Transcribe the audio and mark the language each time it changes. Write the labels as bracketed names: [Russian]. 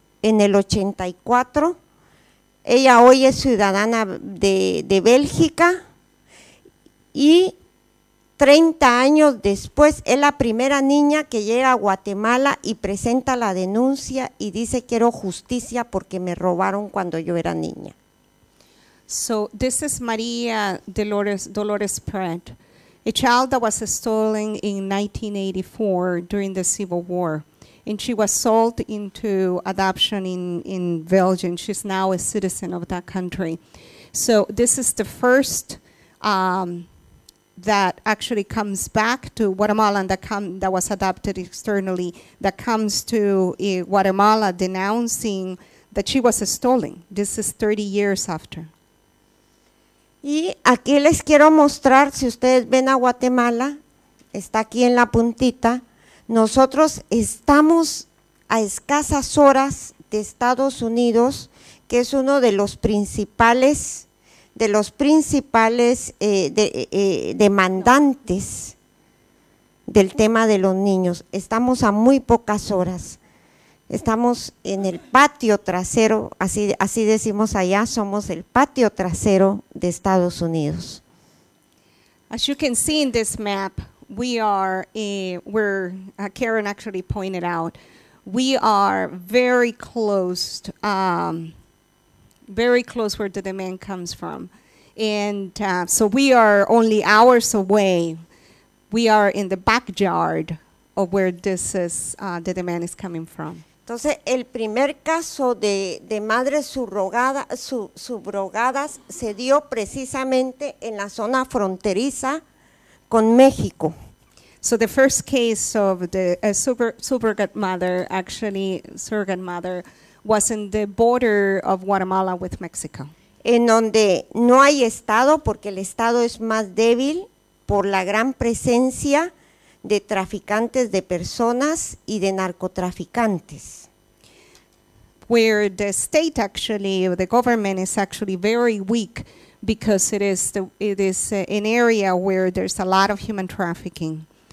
[Spanish] En el 84, ella hoy es ciudadana de Bélgica y 30 años después es la primera niña que llega a Guatemala y presenta la denuncia y dice quiero justicia porque me robaron cuando yo era niña. [English] So this is María Dolores Pratt, a child that was stolen in 1984 during the Civil War. And she was sold into adoption in Belgium. She's now a citizen of that country. So this is the first that actually comes back to Guatemala and that was adopted externally, that comes to Guatemala denouncing that she was stolen. This is 30 years after. [Spanish] Y aquí les quiero mostrar, si ustedes ven a Guatemala, está aquí en la puntita. Nosotros estamos a escasas horas de Estados Unidos, que es uno de los principales demandantes del tema de los niños. Estamos a muy pocas horas. Estamos en el patio trasero, así decimos allá, somos el patio trasero de Estados Unidos. [English] As you can see in this map, Karen actually pointed out, we are very close where the demand comes from. And so we are only hours away. We are in the backyard of where this is, the demand is coming from. [Spanish] Entonces, el primer caso de madres subrogadas se dio precisamente en la zona fronteriza con México. [English] So the first case of the surrogate mother was in the border of Guatemala with Mexico. [Spanish] En donde no hay estado porque el estado es más débil por la gran presencia de traficantes de personas y de narcotraficantes. [English] Where the state actually, the government is actually very weak because it is an area where there's a lot of human trafficking.